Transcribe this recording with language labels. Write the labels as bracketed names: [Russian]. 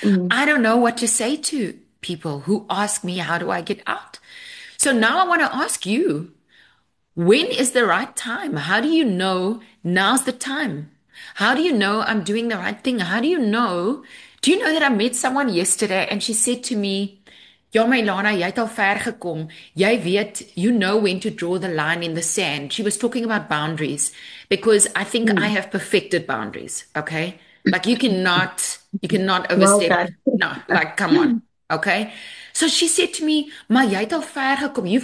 [English] I don't know what to say to people who ask me, how do I get out? So now I want to ask you, when is the right time? How do you know now's the time? How do you know I'm doing the right thing? How do you know? Do you know that I met someone yesterday and she said to me, [Afrikaans] Ja, my Lana, jy het al ver gekom. Jy weet, [English] you know when to draw the line in the sand. She was talking about boundaries because I think I have perfected boundaries, okay? Like you cannot Well overstep. done. No, like come on. Okay? So she said to me, [Afrikaans] "Ma, jy het al ver gekom.